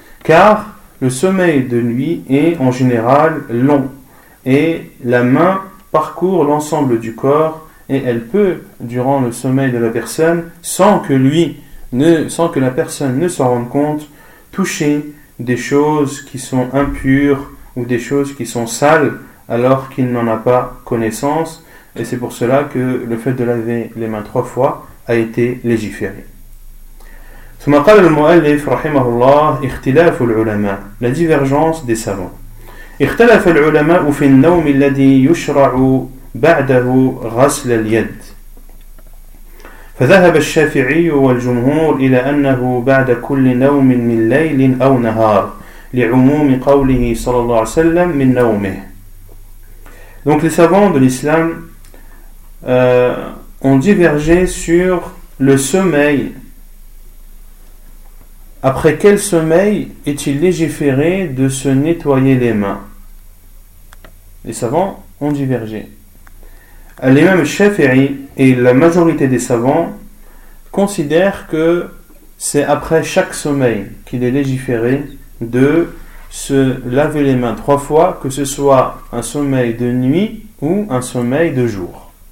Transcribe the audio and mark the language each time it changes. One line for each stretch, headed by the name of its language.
French: Car le sommeil de nuit est en général long, et la main parcourt l'ensemble du corps, et elle peut, durant le sommeil de la personne, sans que la personne ne s'en rende compte, toucher des choses qui sont impures ou des choses qui sont sales alors qu'il n'en a pas connaissance. Et c'est pour cela que le fait de laver les mains 3 fois a été légiféré.
Arabic: ثم قال المؤلف رحمه الله اختلاف العلماء,
French: la divergence des savants.
Arabic: اختلف العلماء في النوم الذي يشرع بعده غسل اليد. فذهب الشافعي والجمهور إلى أنه بعد كل نوم من ليل أو نهار لعموم قوله صلى الله عليه وسلم من نومه.
French: Donc les savants de l'islam ont divergé sur le sommeil. Après quel sommeil est-il légiféré de se nettoyer les mains? Les savants ont divergé. L'imam Shafi'i et la majorité des savants considèrent que c'est après chaque sommeil qu'il est légiféré de se laver les mains 3 fois, que ce soit un sommeil de nuit ou un sommeil de jour.